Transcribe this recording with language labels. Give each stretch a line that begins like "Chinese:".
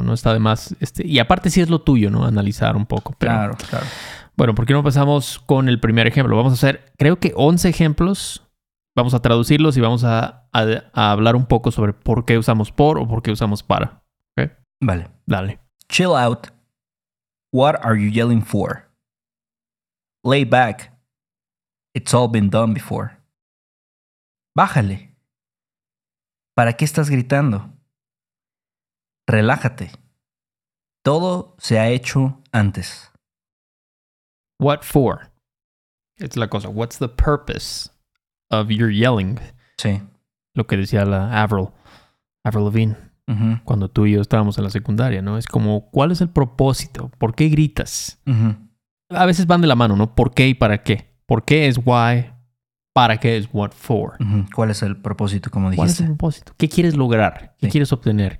Spanish: No está de más, y aparte sí es lo tuyo, ¿no? Analizar un poco. Pero, claro, claro. Bueno, ¿por qué no empezamos con el primer ejemplo? Vamos a hacer, creo que 11 ejemplos, vamos a traducirlos y vamos a hablar un poco sobre por qué usamos por o por qué usamos para, ¿ok? Vale. Dale.
English: Chill out. What are you yelling for? Lay back. It's all been done before.
Spanish: Bájale. ¿Para qué estás gritando? Relájate. Todo se ha hecho antes.
English: What for? It's
Spanish: la cosa.
English: What's the purpose of your yelling?
Spanish: Sí. Lo que decía la Avril Lavigne. Uh-huh. Cuando tú y yo estábamos en la secundaria, ¿no? Es como, ¿cuál es el propósito? ¿Por qué gritas? Uh-huh. A veces van de la mano, ¿no? ¿Por qué y para qué? ¿Por qué es why? ¿Para qué es
English: what for?
Spanish: Uh-huh. ¿Cuál es el propósito, como dijiste? ¿Cuál es el propósito? ¿Qué quieres lograr? ¿Qué quieres obtener?